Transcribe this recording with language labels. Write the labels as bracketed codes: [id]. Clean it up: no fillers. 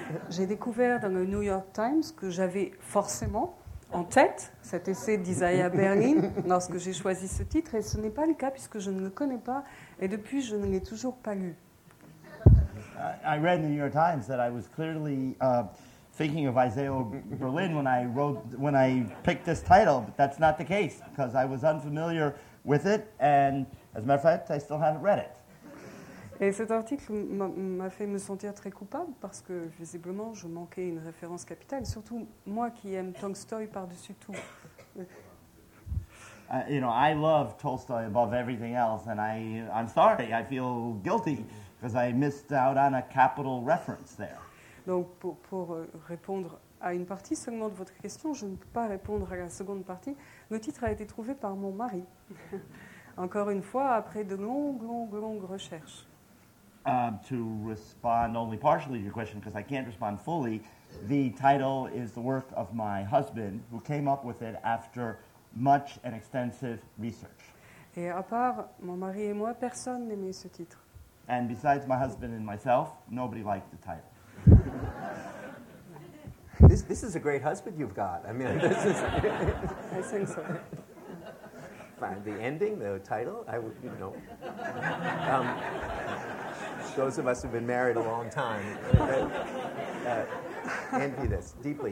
[fr] J'ai découvert dans le New York Times que j'avais forcément en tête cet essai d'Isaiah Berlin lorsque j'ai choisi ce titre, et ce n'est pas le cas puisque je ne le connais pas. Et depuis, je ne l'ai toujours pas lu. [en] I read in the New York Times that I was clearly thinking of Isaiah Berlin when I picked this title, but that's not the case because I was unfamiliar with it, and as a matter of fact, I still haven't read it. [fr] Et cet article m'a fait me sentir très coupable parce que visiblement, je manquais une référence capitale, surtout moi qui aime Tolstoy par-dessus tout. [en] You know, I love Tolstoy above everything else, and I'm sorry, I feel guilty because I missed out on a capital reference there. [fr] Donc, pour répondre à une partie seulement de votre question, je ne peux pas répondre à la seconde partie. Le titre a été trouvé par mon mari, encore une fois, après de longues recherches. [en] To respond only partially to your question, because I can't respond fully, the title is the work of my husband, who came up with it after much and extensive research. [fr] Et à part mon mari et moi, personne n'aimait ce titre. [en] And besides my husband and myself, nobody liked the title. This is a great husband you've got. I mean, this is... I think so. Fine. The ending, the title, those of us who've been married a long time envy this deeply.